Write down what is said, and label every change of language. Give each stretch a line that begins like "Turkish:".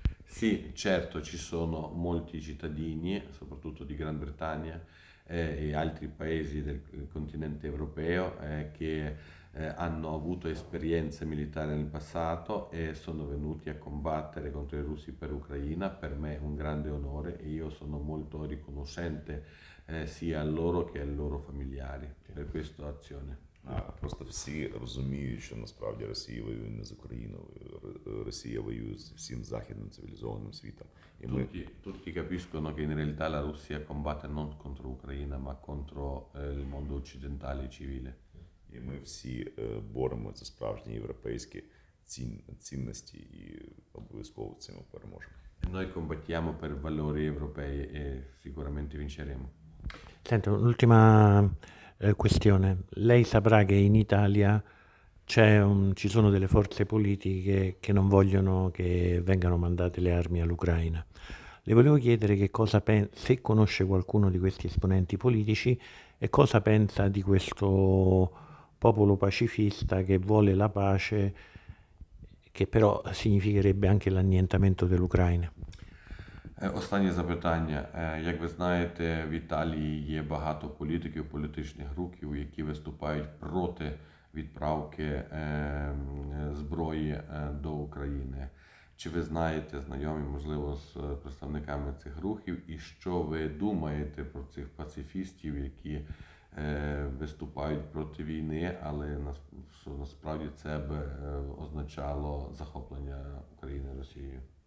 Italian: Sì, certo, ci sono molti cittadini, soprattutto di Gran Bretagna e altri paesi del continente europeo, che hanno avuto esperienze militari nel passato e sono venuti a combattere contro i russi per Ucraina. Per me è un grande onore e io sono molto riconoscente sia a loro che ai loro familiari per questa azione.
Ukrainian: Просто всі розуміють, що насправді Росія воює не з Україною, Росія воює з всім західним цивілізованим світом.
Italian: І тutti capiscono che in realtà la Russia combatte non contro Ucraina, ma contro il mondo occidentale civile.
Ukrainian: І ми всі боремо за справжні європейські цінності і обов'язково цим переможемо.
Italian: Noi combattiamo per valori europei e sicuramente vinceremo. Senta, un'ultima questione. Lei saprà che in Italia ci sono delle forze politiche che non vogliono che vengano mandate le armi all'Ucraina. Le volevo chiedere che cosa se conosce qualcuno di questi esponenti politici e cosa pensa di questo popolo pacifista che vuole la pace, che però significherebbe anche l'annientamento dell'Ucraina.
Ukrainian: Останнє запитання. Як ви знаєте, в Італії є багато політиків, політичних рухів, які виступають проти відправки зброї до України. Чи ви знаєте, знайомі, можливо, з представниками цих рухів, і що ви думаєте про цих пацифістів, які виступають проти війни, але насправді це б означало захоплення України Росією?